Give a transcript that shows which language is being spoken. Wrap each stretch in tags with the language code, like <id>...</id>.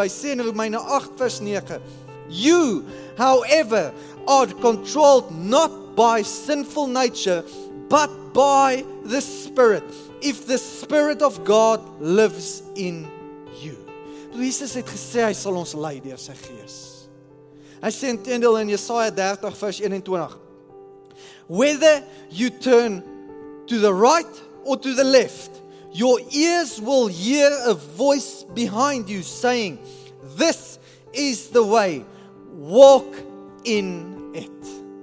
<af>Hy sê in Romeine 8 vers 9,</af> <en>You, however, are controlled not by sinful nature, but by the Spirit, if the Spirit of God lives in you.</en> <af>Jesus het gesê, hy sal ons lei deur sy gees. Hy sê in teendeel in Jesaja 30 vers 21,</af> <en>Whether you turn to the right or to the left, your ears will hear a voice behind you saying, This is the way, walk in it.</en>